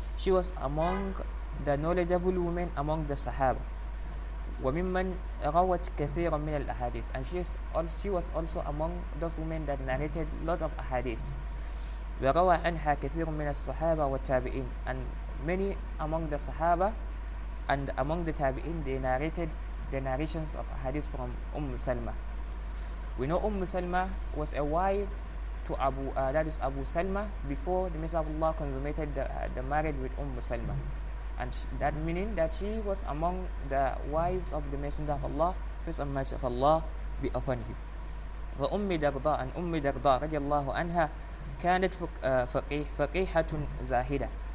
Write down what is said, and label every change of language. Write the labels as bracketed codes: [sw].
[en] She was among the knowledgeable women among the Sahaba. [ar] وممن روت كثيرا من الأحاديث. [en] And she was also among those women that narrated a lot of ahadith. [ar] وروى عنها كثير من الصحابة والتابعين. [en] And many among the Sahaba and among the Tabi'in, they narrated the narrations of hadith from Umm Salma. We know Umm Salma was a wife to Abu Salma before the Messenger of Allah consummated the marriage with Umm Salma. And that meaning that she was among the wives of the Messenger of Allah, peace and mercy of Allah be upon him. [ar] وأم درداء and أم درداء رضي الله عنها كانت فقيحة زاهدة.